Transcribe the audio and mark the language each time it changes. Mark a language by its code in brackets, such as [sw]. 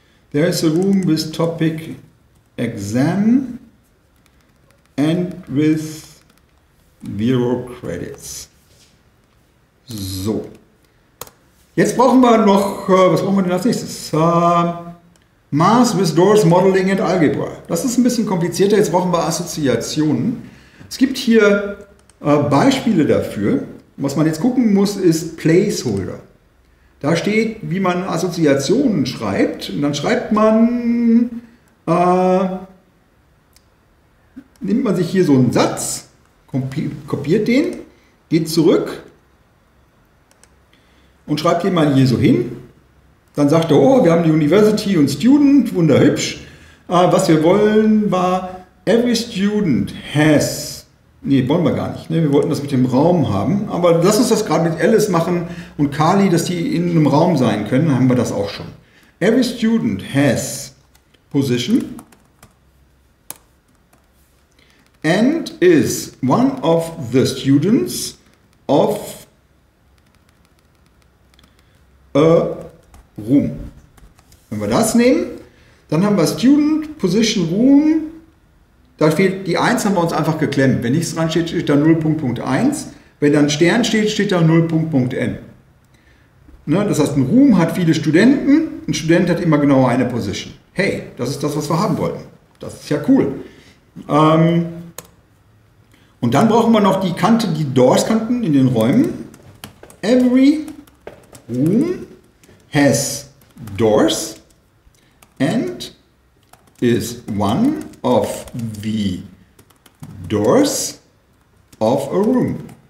[en] There is a room with topic exam and with 0 credits. [de] So. Jetzt brauchen wir noch, was brauchen wir denn als nächstes? [en] Mars with doors, modeling and algebra. [de] Das ist ein bisschen komplizierter, jetzt brauchen wir Assoziationen. Es gibt hier Beispiele dafür. Was man jetzt gucken muss, ist Placeholder. Da steht, wie man Assoziationen schreibt. Und dann schreibt man, nimmt man sich hier so einen Satz, kopiert den, geht zurück und schreibt den mal hier so hin. Dann sagt er, oh, wir haben die University und Student, wunderhübsch. Was wir wollen war, [en] every student has. [de] Nee, wollen wir gar nicht. Ne? Wir wollten das mit dem Raum haben. Aber lass uns das gerade mit Alice machen und Carly, dass die in einem Raum sein können. Dann haben wir das auch schon. [en] Every student has position and is one of the students of a room. [de] Wenn wir das nehmen, dann haben wir student, position, room. Da fehlt die 1, haben wir uns einfach geklemmt. Wenn nichts dran steht, steht da 0.1. Wenn da ein Stern steht, steht da 0.n. Ne? Das heißt, ein Room hat viele Studenten. Ein Student hat immer genau eine Position. Hey, das ist das, was wir haben wollten. Das ist ja cool. Und dann brauchen wir noch die Kante, die Doors-Kanten in den Räumen. [en] Every room has doors and is one of the doors of a room.